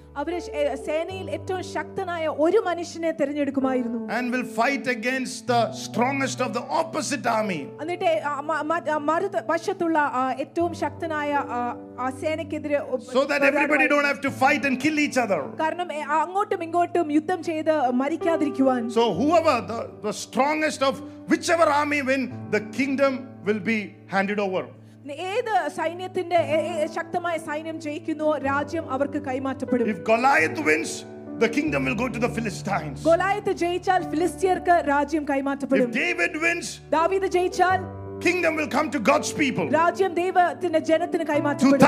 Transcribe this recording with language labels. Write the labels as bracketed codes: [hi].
[ml] അവരെ സേനയിൽ ഏറ്റവും ശക്തനായ ഒരു മനുഷ്യനെ തിരഞ്ഞെടുക്കുമായിരുന്നു [en] and will fight against the strongest of the opposite army [ml] അന്നിട്ട് മറുവശത്തുള്ള ഏറ്റവും ശക്തനായ ആ സേനക്കെതിരെ [en] so that everybody don't have to fight and kill each other [ml] കാരണം അങ്ങോട്ടും ഇങ്ങോട്ടും യുദ്ധം ചെയ്ത് മരിക്കാതിരിക്കുവാൻ [en] so whoever the strongest of whichever army win the kingdom will be handed over [ml] ഏത് സൈന്യത്തിന്റെ ശക്തമായ സൈന്യം ജയിക്കുന്നുവോ രാജ്യം അവർക്ക് കൈമാറ്റപ്പെടും [en] If Goliath wins the kingdom will go to the Philistines [ml] Goliath ജയിച്ചാൽ ഫിലിസ്ത്യർക്ക് രാജ്യം കൈമാറ്റപ്പെടും [en] If David wins [ml] ദാവീദ് ജയിച്ചാൽ [en] kingdom will come to God's people [ml] രാജ്യം ദൈവത്തിന്റെ ജനത്തിന് കൈമാറ്റപ്പെടും